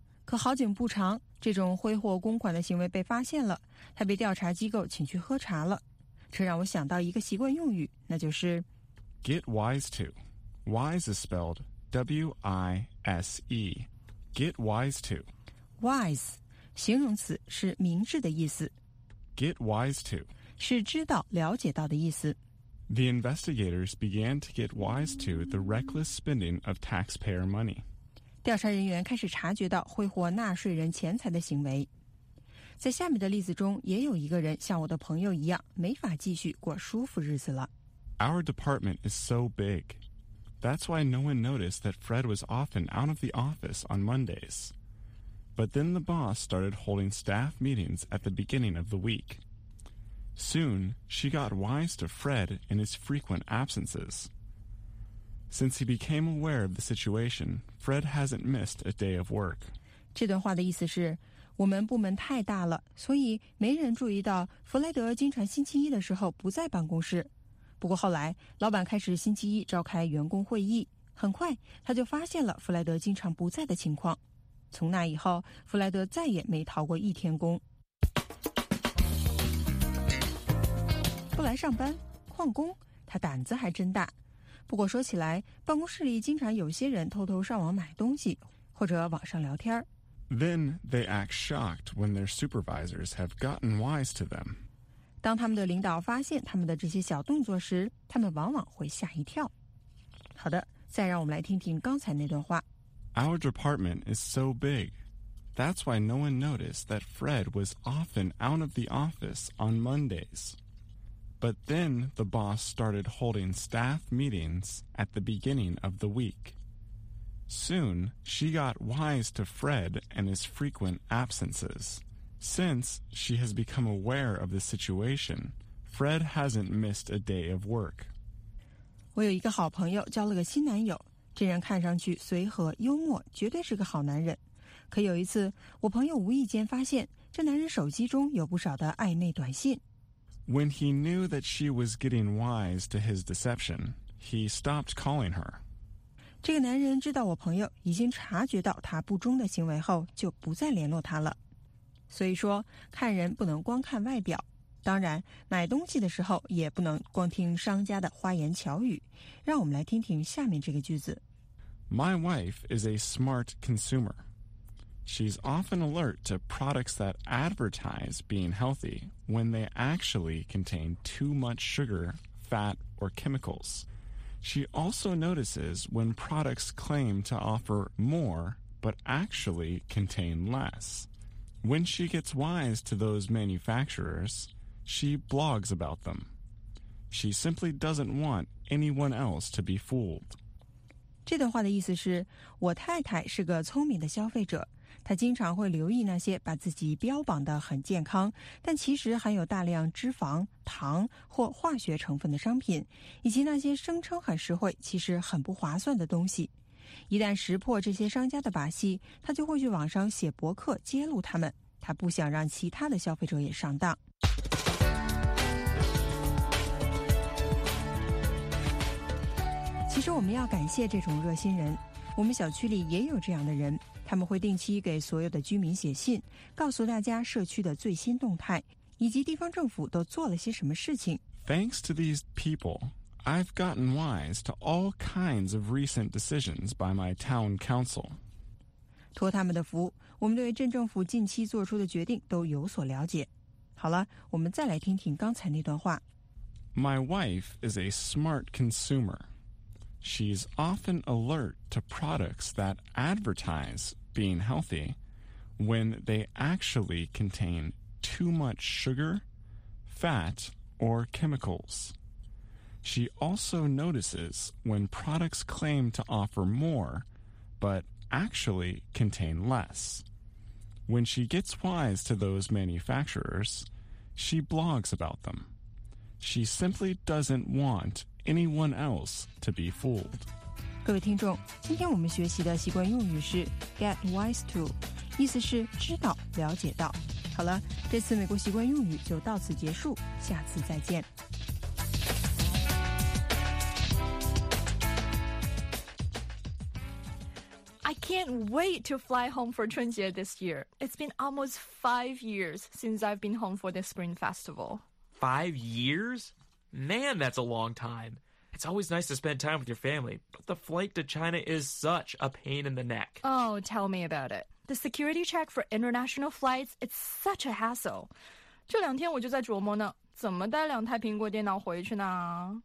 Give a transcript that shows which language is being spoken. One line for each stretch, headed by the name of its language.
Chinese: 可好景不长，这种挥霍公款的行为被发现了，他被调查机构请去喝茶了。这让我想到一个习惯用语，那就是
English: Get wise to. Wise is spelled W-I-S-E. Get wise to.
Chinese: Wise, 形容词，是明智的意思。
English: Get wise to.
Chinese: 是知道、了解到的意思。
English: The investigators began to get wise to the reckless spending of taxpayer money.
Chinese: 调查人员开始察觉到挥霍纳税人钱财的行为。在下面的例子中，也有一个人像我的朋友一样，没法继续过舒服日子了。
English: Our department is so big. That's why no one noticed that Fred was often out of the office on Mondays. But then the boss started holding staff meetings at the beginning of the week. Soon, she got wise to Fred and his frequent absences. Since he became aware of the situation, Fred hasn't missed a day of work.
Chinese: 这段话的意思是，我们部门太大了，所以没人注意到弗雷德经常星期一的时候不在办公室。不过后来，老板开始星期一召开员工会议，很快他就发现了弗雷德经常不在的情况。从那以后，弗雷德再也没逃过一天工。不来上班，旷工，他胆子还真大。不过说起来，办公室里经常有些人偷偷上网买东西，或者网上聊天。
English: Then they act shocked when their supervisors have gotten wise to them.
Chinese: 当他们的领导发现他们的这些小动作时，他们往往会吓一跳。好的，再让我们来听听刚才那段话。
English: Our department is so big. That's why no one noticed that Fred was often out of the office on Mondays. But then the boss started holding staff meetings at the beginning of the week. Soon, she got wise to Fred and his frequent absences. Since she has become aware of the situation, Fred hasn't missed a day of work.
Chinese: 我有一个好朋友交了个新男友，这人看上去随和幽默，绝对是个好男人。可有一次，我朋友无意间发现这男人手机中有不少的暧昧短信。
English: When he knew that she was getting wise to his deception, he stopped calling her.
Chinese: 这个男人知道我朋友已经察觉到他不忠的行为后，就不再联络他了。所以说，看人不能光看外表。当然，买东西的时候也不能光听商家的花言巧语。让我们来听听下面这个句子。
English: My wife is a smart consumer. She's often alert to products that advertise being healthy when they actually contain too much sugar, fat, or chemicals. She also notices when products claim to offer more but actually contain less. When she gets wise to those manufacturers, she blogs about them. She simply doesn't want anyone else to be fooled.
Chinese: 这段话的意思是，我太太是个聪明的消费者。他经常会留意那些把自己标榜得很健康，但其实含有大量脂肪、糖或化学成分的商品，以及那些声称很实惠，其实很不划算的东西。一旦识破这些商家的把戏，他就会去网上写博客揭露他们。他不想让其他的消费者也上当。其实我们要感谢这种热心人，我们小区里也有这样的人。他们会定期给所有的居民写信，告诉大家社区的最新动态，以及地方政府都做了些什么事情。
English: Thanks to these people, I've gotten wise to all kinds of recent decisions by my town council.
Chinese: 托他们的福，我们对镇政府近期做出的决定都有所了解。好了，我们再来听听刚才那段话。
English: My wife is a smart consumer. She's often alert to products that advertise being healthy when they actually contain too much sugar, fat, or chemicals. She also notices when products claim to offer more, but actually contain less. When she gets wise to those manufacturers, she blogs about them. She simply doesn't want anyone else to be fooled.
Chinese: 各位听众，今天我们学习的习惯用语是 get wise to， 意思是知道、了解到。好了，这次美国习惯用语就到此结束，下次再见。
English: I can't wait to fly home for 春节 this year. It's been almost 5 years since I've been home for the Spring Festival. 5 years? Man, that's a long time. It's always nice to spend time with your family, but the flight to China is such a pain in the neck. Oh, tell me about it. The security check for international flights, it's such a hassle.
Chinese: 这两天我就在琢磨呢，怎么带两台苹果电脑回去呢？